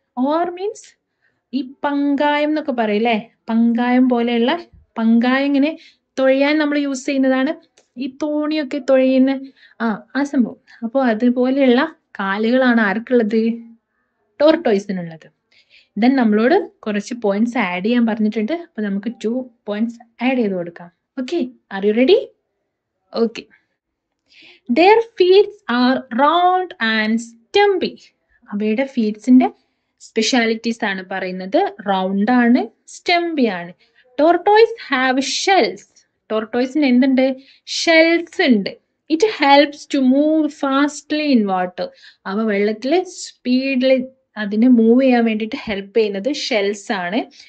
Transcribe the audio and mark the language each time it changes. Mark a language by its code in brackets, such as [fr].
[ml] Or means ഈ പങ്കായം എന്നൊക്കെ പറയല്ലേ, പങ്കായം പോലെയുള്ള പങ്കായം ഇങ്ങനെ തൊഴിയാൻ നമ്മൾ യൂസ് ചെയ്യുന്നതാണ്, ഈ തോണിയൊക്കെ തൊഴിയുന്ന ആ സംഭവം. അപ്പോൾ അതുപോലെയുള്ള കാലുകളാണ് ആർക്കുള്ളത്? ടോർട്ടോയിസിനുള്ളത്. ദെൻ നമ്മളോട് കുറച്ച് പോയിന്റ്സ് ആഡ് ചെയ്യാൻ പറഞ്ഞിട്ടുണ്ട്. അപ്പൊ നമുക്ക് ടു പോയിന്റ്സ് ആഡ് ചെയ്ത് കൊടുക്കാം. [en] Okay, are you ready? Okay. Their feet are round and stumpy. [ml] അവയുടെ ഫീറ്റ്സിന്റെ സ്പെഷ്യാലിറ്റീസ് ആണ് പറയുന്നത്, റൗണ്ട് ആണ് സ്റ്റംബി ആണ്. [en] Tortoise have shells. [ml] ടോർട്ടോയിസിന് എന്തുണ്ട്? ഷെൽസ് ഉണ്ട്. [en] It helps to move fastly in water. [ml] അവ വെള്ളത്തില് സ്പീഡിൽ അതിനെ മൂവ് ചെയ്യാൻ വേണ്ടിയിട്ട് ഹെൽപ്പ് ചെയ്യുന്നത് ഷെൽസ് ആണ്.